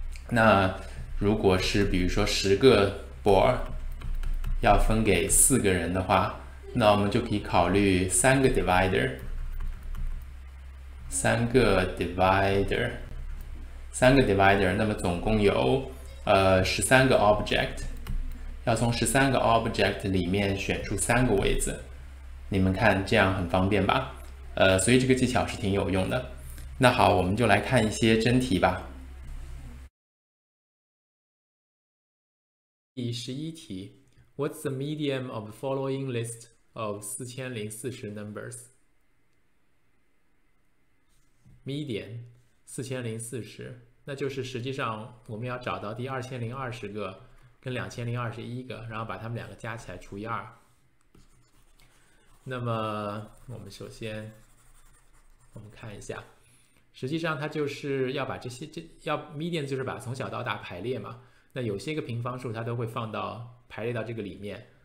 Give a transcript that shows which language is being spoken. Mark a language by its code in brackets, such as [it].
[zh] 那如果是比如说十个 ball 要分给四个人的话，那我们就可以考虑三个 divider， 那么总共有13个 object。要从13个 object 里面选出3个位置，你们看这样很方便吧？所以这个技巧是挺有用的。那好，我们就来看一些真题吧。第11题 [en] What's the medium of the following list of 4040 numbers? [zh] Median 4040，那就是实际上我们要找到第2020个跟2021个，然后把它们两个加起来除以2。那么我们首先我们看一下，实际上它就是要把要 median 就是把从小到大排列嘛，那有些个平方数它都会放到排列到这个里面。